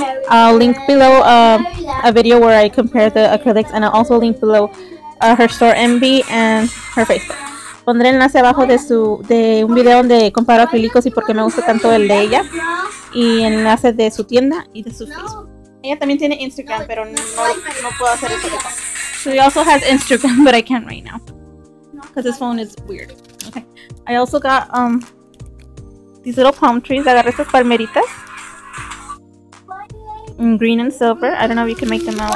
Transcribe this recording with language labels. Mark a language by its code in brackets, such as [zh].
[en] I'll link below a video where I compare the acrylics, and I'll also link below her store Envy and her Facebook. [es] Pondré enlace abajo de un video donde comparo acrílicos y por qué me gusta tanto el de ella, y enlace de su tienda y de su Facebook. Ella también tiene Instagram, pero no puedo hacer eso. [en] She also has Instagram, but I can't right now because this phone is weird. Okay. I also got these little palm trees. [es] Agarré estas palmeritas [en] in green and silver. I don't know if you can make them out.